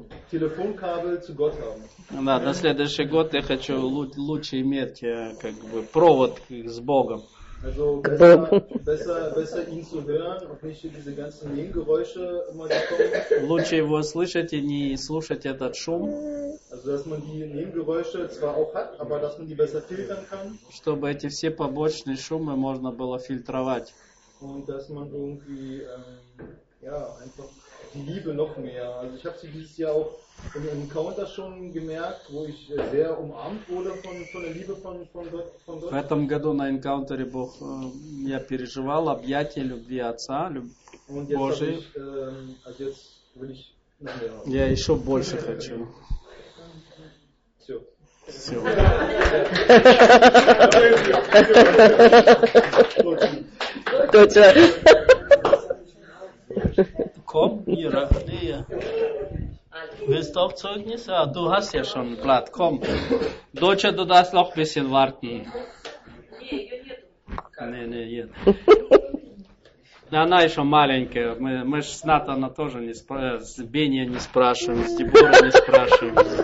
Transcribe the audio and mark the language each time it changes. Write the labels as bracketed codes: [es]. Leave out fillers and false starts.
[de] Телефонкабель zu Gott haben. [ru] Да, на следующий год я хочу лучше иметь как бы провод с Богом. [de] Also besser ihn zu hören, auch nicht diese ganzen Nebengeräusche immer bekommen. [ru] Лучше его слышать и не слушать этот шум. [de] Also dass man die Nebengeräusche zwar auch hat, aber dass man die besser filtern kann. [ru] Чтобы эти все побочные шумы можно было фильтровать. [de] Und dass man irgendwie einfach die Liebe noch mehr. Also ich habe sie dieses Jahr auch im Encounter schon gemerkt, wo ich sehr umarmt wurde von der Liebe von Gott. [ru] В этом году на Encounter'е Бог я переживал объятия любви Отца, любви Божией. [de] Also jetzt will ich noch mehr. [ru] Я еще больше хочу. Все. Точно. [de] Komm, Mira, Lea. Willst du auch Zeugnis? Ah, du hast ja schon ein Blatt, komm. Deutsche, du darfst noch ein bisschen warten. [ru] Nee, она еще маленькая. Мы же с Натана тоже не спрашиваем, с Беня не спрашиваем, с Дебора не спрашиваем.